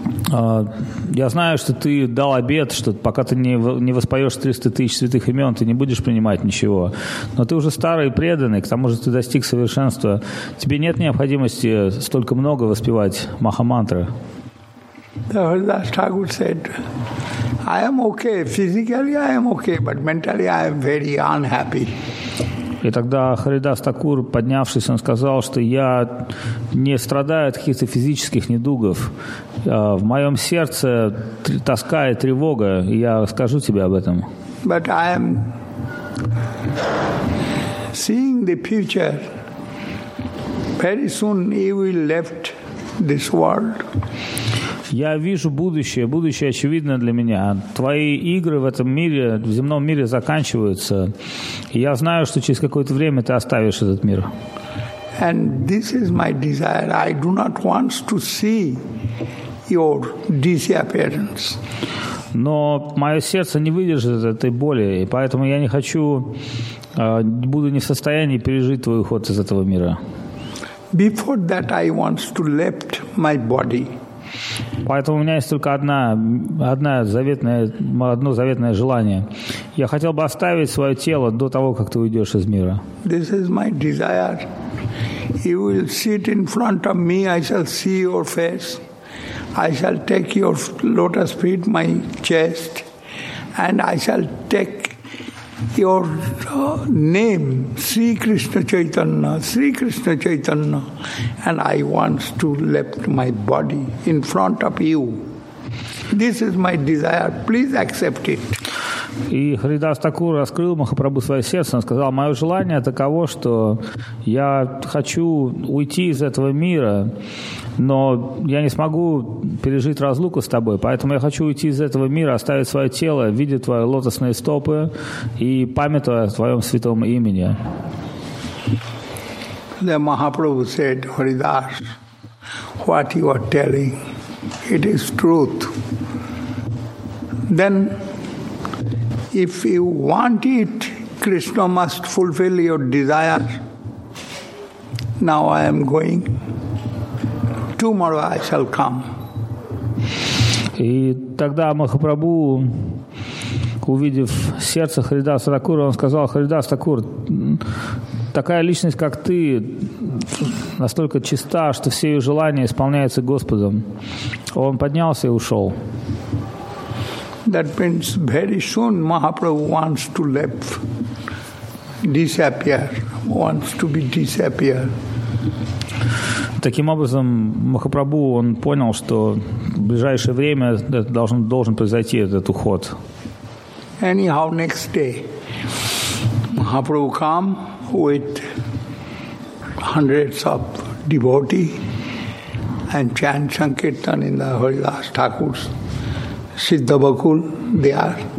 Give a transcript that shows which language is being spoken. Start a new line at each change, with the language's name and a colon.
Russian: Я знаю, что ты дал обет, что пока ты не воспоешь 300 тысяч святых имен, ты не будешь принимать ничего. Но ты уже старый и преданный, к тому же ты достиг совершенства. Тебе нет необходимости столько много воспевать Махамантры.
English: The Haridas Thakur said, I am okay, physically I am okay, but mentally I am very unhappy.
Russian: И тогда Харидас Такур, поднявшись, он сказал, что я не страдаю от каких-то физических недугов. В моем сердце тоска и тревога, и я скажу тебе об этом.
English: But I am seeing the future. Very soon you will left this world.
Russian: Я вижу будущее. Будущее очевидно для меня. Твои игры в этом мире, в земном мире заканчиваются. И я знаю, что через какое-то время ты оставишь этот мир.
English: And this is my desire. I do not want to see your disappearance.
Russian: но мое сердце не выдержит этой боли, и поэтому я не хочу, буду не в состоянии пережить твой уход из этого мира.
English: Before that I want to left my body.
Russian: Поэтому у меня есть только одно заветное желание. Я хотел бы оставить свое тело до того, как ты уйдешь из мира.
English: This is my desire. You will sit in front of me, I shall see your face. I shall take your lotus feet, my chest, and I shall take your name, Sri Krishna Chaitanya, Sri Krishna Chaitanya, and I want to lift my body in front of you. This is my desire. Please accept it.
Russian: И Харидас Такур раскрыл Махапрабху свое сердце. Он сказал, мое желание таково, что я хочу уйти из этого мира, но я не смогу пережить разлуку с тобой, поэтому я хочу уйти из этого мира, оставить свое тело, видеть твои лотосные стопы и памятуя о твоем святом имени.
English: The Mahaprabhu said, Haridas, what you are telling, it is truth. Then if you want it, Krishna must fulfill your desire. Now I am going. Tomorrow I shall come.
Russian: И тогда Махапрабху, увидев сердце Харидаса Такура, он сказал, Харидас Такур, такая личность, как ты, настолько чиста, что все ее желания исполняются Господом. Он поднялся и ушел.
English: That means very soon Mahaprabhu wants to leave, disappear, wants to be disappear.
Russian: Таким образом, Махапрабху, он понял, что в ближайшее время должен произойти этот уход.
English: Anyhow, next day, Mahaprabhu come with hundreds of devotees and chant Sankirtan in the Haridas Thakur's Siddha Bakul, there.